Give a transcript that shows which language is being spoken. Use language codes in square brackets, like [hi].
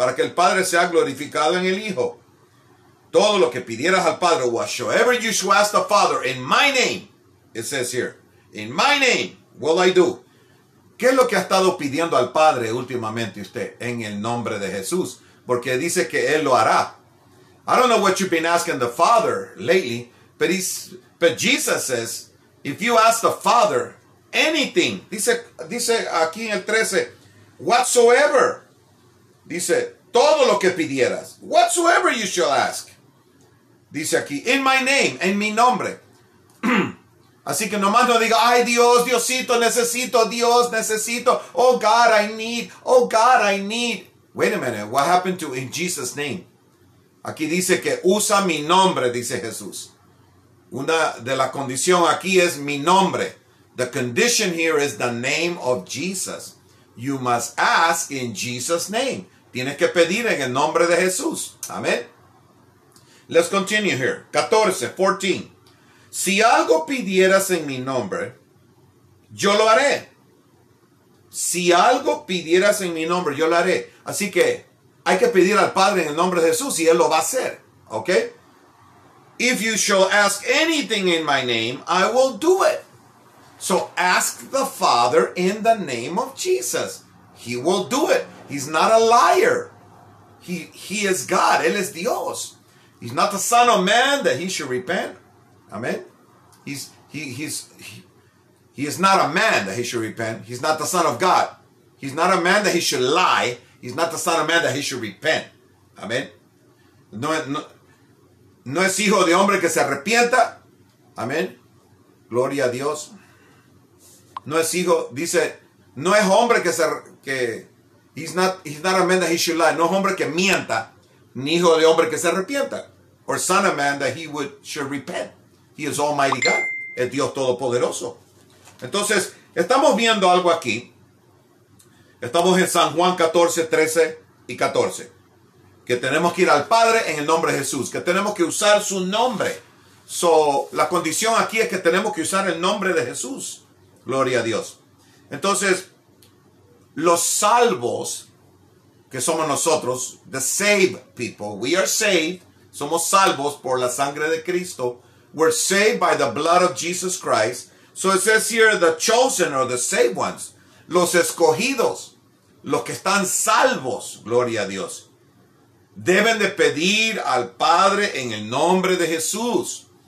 [es] Para que el Padre sea glorificado en el Hijo. Todo lo que pidieras al Padre, [en] whatsoever you shall ask the Father in my name, it says here, in my name, will I do. [es] ¿Qué es lo que ha estado pidiendo al Padre últimamente usted? En el nombre de Jesús. Porque dice que Él lo hará. [en] I don't know what you've been asking the Father lately, but Jesus says, if you ask the Father anything, [es] dice aquí en el 13, [en] whatsoever, [es] dice, todo lo que pidieras, [en] whatsoever you shall ask, [es] dice aquí, [en] in my name, [es] en mi nombre. Así que nomás no diga, ay Dios, Diosito, necesito, Dios, necesito, [en] oh God, I need, oh God, I need. Wait a minute, what happened to in Jesus' name? [es] Aquí dice que usa mi nombre, dice Jesús. Una de la condición aquí es mi nombre. [en] The condition here is the name of Jesus. You must ask in Jesus' name. [es] Tienes que pedir en el nombre de Jesús. Amén. [en] Let's continue here. [es] 14, 14. Si algo pidieras en mi nombre, yo lo haré. Si algo pidieras en mi nombre, yo lo haré. Así que hay que pedir al Padre en el nombre de Jesús y Él lo va a hacer. [en] ¿Ok? If you shall ask anything in my name, I will do it. So ask the Father in the name of Jesus. He will do it. He's not a liar. He is God. [es] Él es Dios. [en] He's not the Son of Man that he should repent. Amen? He is not a man that he should repent. He's not the Son of God. He's not a man that he should lie. He's not the Son of Man that he should repent. Amen. [es] No es hijo de hombre que se arrepienta. Amen. Gloria a Dios. No es hijo, dice, no es hombre que se, que, [en] he's not a man that he should lie. [es] No es hombre que mienta, ni hijo de hombre que se arrepienta. [en] Or Son of Man that he would should repent. He is Almighty God. [es] Es Dios Todopoderoso. Entonces, estamos viendo algo aquí. Estamos en San Juan 14, 13 y 14. Que tenemos que ir al Padre en el nombre de Jesús. Que tenemos que usar su nombre. So, la condición aquí es que tenemos que usar el nombre de Jesús. Gloria a Dios. Entonces, los salvos que somos nosotros, [en] the saved people, we are saved. [es] Somos salvos por la sangre de Cristo. [en] We're saved by the blood of Jesus Christ. So it says here, the chosen or the saved ones. [es] Los escogidos, los que están salvos, gloria a Dios, deben de pedir al Padre en el nombre de Jesús.